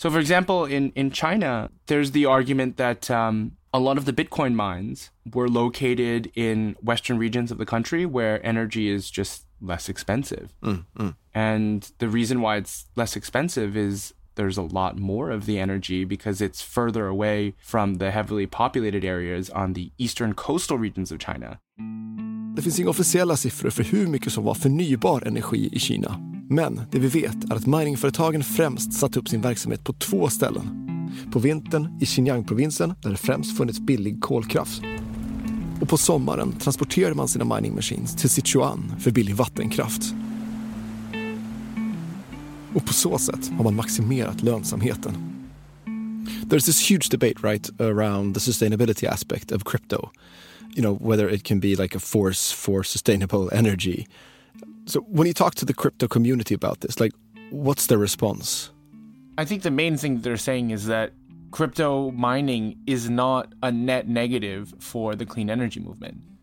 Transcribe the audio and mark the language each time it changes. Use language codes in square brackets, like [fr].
[en] So for example, in China, there's the argument that a lot of the Bitcoin mines were located in Western regions of the country where energy is just less expensive. Mm, mm. And the reason why it's less expensive is there's a lot more of the energy because it's further away from the heavily populated areas on the eastern coastal regions of China. [sv] Det finns inga officiella siffror för hur mycket som var förnybar energi i Kina. Men det vi vet är att miningföretagen främst satt upp sin verksamhet på två ställen. På vintern i Xinjiang-provinsen där det främst funnits billig kolkraft. Och på sommaren transporterade man sina mining machines till Sichuan för billig vattenkraft. Och på så sätt har man maximerat lönsamheten. [en] There's this huge debate, right, around the sustainability aspect of crypto. You know, whether it can be like a force for sustainable energy. So when you talk to the crypto community about this, like, what's their response? I think the main thing they're saying is that crypto mining is not a net negative for the clean energy movement.